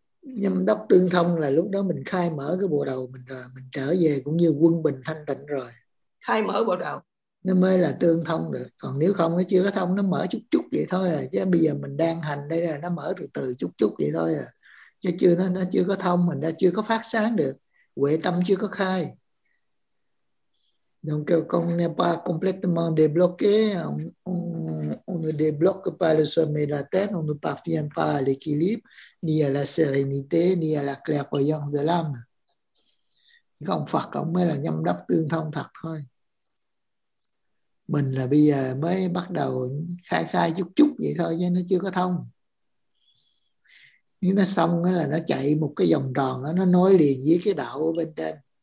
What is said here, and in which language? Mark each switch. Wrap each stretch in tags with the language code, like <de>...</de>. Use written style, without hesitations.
<vi>Nhâm đốc tương thông là lúc đó mình khai mở cái bộ đầu mình rồi, mình trở về cũng như quân bình thanh tịnh rồi. Khai mở bộ đầu. Nó mới là tương thông được, còn nếu không nó chưa có thông, nó mở chút chút vậy thôi à. Chứ bây giờ mình đang hành đây là nó mở từ từ chút chút vậy thôi à. Chứ chưa nó chưa có thông, mình đã chưa có phát sáng được, huệ tâm chưa có khai.</vi> <fr>Donc quand on n'est pas complètement débloqué, on ne débloque pas le sommet de la tête, on ne parvient pas à l'équilibre, ni à la sérénité, ni à la clairvoyance de l'âme.</fr> <vi>Còn Phật cũng mới là nhâm đốc tương thông thật thôi. Mình là bây giờ mới bắt đầu khai khai chút chút vậy thôi, chứ nó chưa có thông. Nếu nó xong là nó chạy một cái vòng tròn, nó nối liền với cái đạo ở bên trên.</vi>